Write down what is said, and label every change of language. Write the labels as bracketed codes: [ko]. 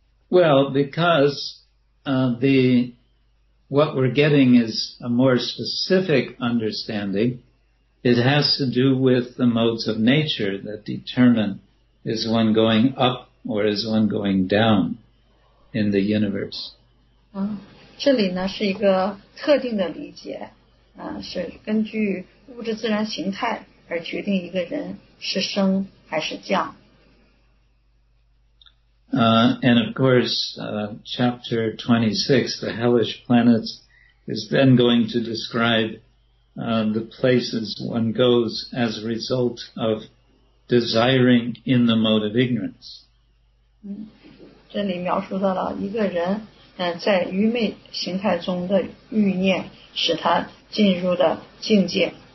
[en] Well, because what we're getting is a more specific understanding. It has to do with the modes of nature that determine is one going up or is one going down in the universe. [zh] 这里呢是一个特定的理解，是根据物质自然形态而决定一个人是升还是降。 [en] And of course, chapter 26, the hellish planets, is then going to describe, the places one goes as a result of desiring in the mode of ignorance. [zh] 这里描述到了一个人，在愚昧形态中的欲念使他进入的境界。